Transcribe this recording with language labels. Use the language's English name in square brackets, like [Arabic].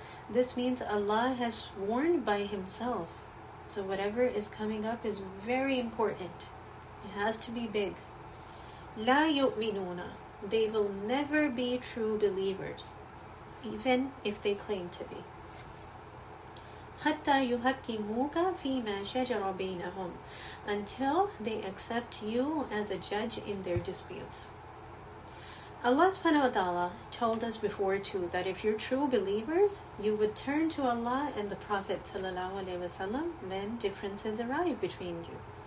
[English] This means Allah has sworn by himself. So whatever is coming up is very important. It has to be big. [Arabic] لا يؤمنون. [English] They will never be true believers, even if they claim to be. [Arabic] حتى يحكموك فيما شجر بينهم. [English] Until they accept you as a judge in their disputes. Allah subhanahu wa ta'ala told us before too that if you're true believers, you would turn to Allah and the Prophet sallallahu alaihi wasallam, then differences arise between you.